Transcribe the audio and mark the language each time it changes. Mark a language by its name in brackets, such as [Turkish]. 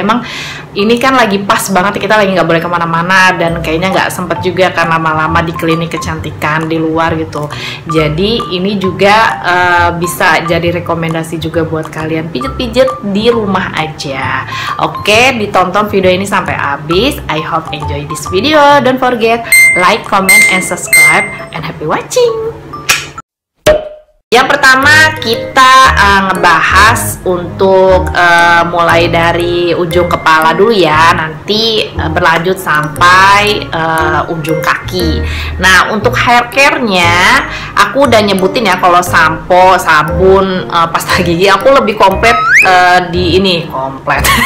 [Indonesian] Emang ini kan lagi pas banget, kita lagi nggak boleh kemana-mana dan kayaknya nggak sempet juga kan lama-lama di klinik kecantikan di luar gitu. Jadi ini juga bisa jadi rekomendasi juga buat kalian pijet-pijet di rumah aja. Oke, ditonton video ini sampai habis. [English] I hope enjoy this video. Don't forget like, comment, and subscribe, and happy watching. [Indonesian] Yang pertama kita ngebahas untuk mulai dari ujung kepala dulu ya, nanti berlanjut sampai ujung kaki. Nah, untuk hair care-nya aku udah nyebutin ya, kalau sampo, sabun, pasta gigi aku lebih komplit di ini, komplit.